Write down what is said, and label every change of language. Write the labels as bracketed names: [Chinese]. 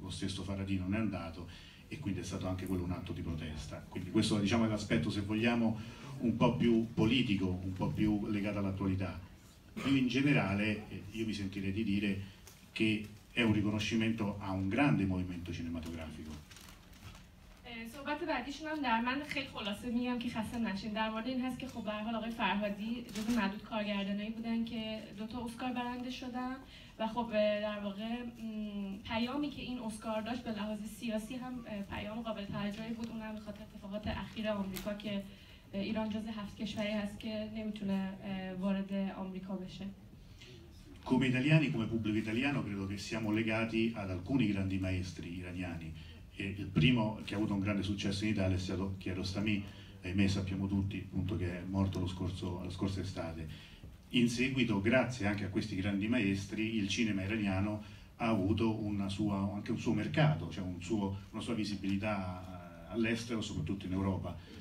[Italian] Lo stesso Faraday non è andato e quindi è stato anche quello un atto di protesta. Quindi questo diciamo, è l'aspetto, se vogliamo, un po' più politico, un po' più legato all'attualità. Più in generale, io mi sentirei di dire che è un riconoscimento a un grande movimento cinematografico. [Persian] صحبت بعدیشون هم در من خیلی خلاصه میگم که خسته نشین در مورد این هست که خب به هر حال آقای فرهادی جز معدود کارگردانایی بودن که دوتا اسکار برنده شدن و خب در واقع پیامی که این اسکار داشت به لحاظ سیاسی هم پیام قابل توجهی بود اونم به خاطر اتفاقات اخیر آمریکا که ایران جز 7 کشوری هست که نمیتونه وارد آمریکا بشه [Italian] Come italiani, come pubblico italiano, credo che siamo legati ad alcuni grandi maestri iraniani. E il primo che ha avuto un grande successo in Italia è stato Kiarostami, ahimè sappiamo tutti appunto che è morto la scorsa estate. In seguito, grazie anche a questi grandi maestri, il cinema iraniano ha avuto anche un suo mercato, cioè una sua visibilità all'estero, soprattutto in Europa.